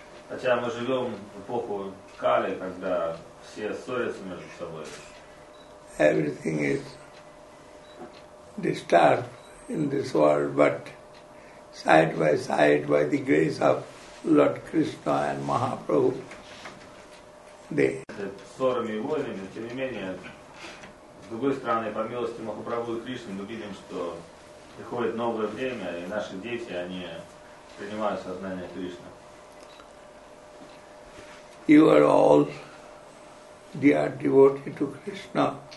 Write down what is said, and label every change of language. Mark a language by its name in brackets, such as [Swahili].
[Russian] Хотя мы живем в эпоху Кали, когда все ссорятся между собой. [English] Everything is disturbed in this world, but side by side, by the grace of Lord Krishna and Mahaprabhu, they. [Russian] Ссорами и войнами, тем не менее, с другой стороны, по милости Махапрабху и Кришны, мы видим, что приходит новое время, и наши дети, они принимают сознание Кришны. [English] You are all dear devotee to Krishna.